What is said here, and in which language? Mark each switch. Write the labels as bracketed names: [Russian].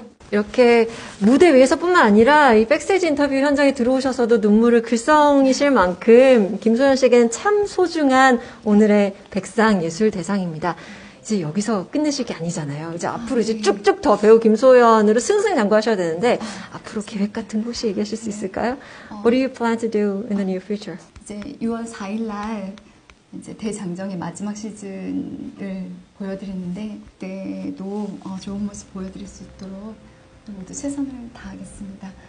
[Korean] 이렇게 무대 위에서뿐만 아니라 이 백스테이지 인터뷰 현장에 들어오셔서도 눈물을 글썽이실 만큼 김소연 씨에겐 참 소중한 오늘의 백상예술대상입니다. 이제 여기서 끝내실 게 아니잖아요. 이제 앞으로 이제 쭉쭉 더 배우 김소연으로 승승장구하셔야 되는데, 앞으로 계획 같은 거 혹시 얘기하실 수 있을까요? [English] What do you plan to do in the near future? [Korean] 이제 6월 4일 날 이제 대장정의 마지막 시즌을 보여드리는데 그때도 좋은 모습 보여드릴 수 있도록 모두 최선을 다하겠습니다.